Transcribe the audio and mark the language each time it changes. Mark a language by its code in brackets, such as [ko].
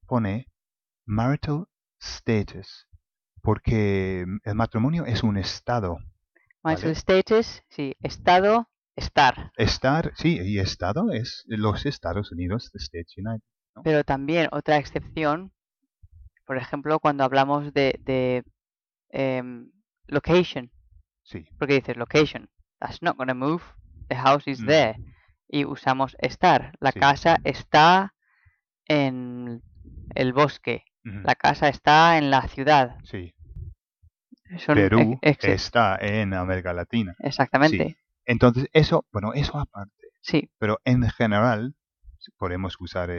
[es] Pone marital status, porque el matrimonio es un estado. Más el status, sí, estado, estar. Estar, sí, y estado es los Estados Unidos, [en] the States United, [es] ¿no? Pero también otra excepción, por ejemplo, cuando hablamos de location. Sí. [en] Porque dices location, that's not gonna move, the house is [es] No. [en] there. [es] Y usamos estar, la Sí. casa está en el bosque, la casa está en la ciudad. Sí. Son Perú excepciones. está en América Latina. Sí. Exactamente. Entonces, eso, bueno, eso aparte. Sí. Pero en general, podemos usar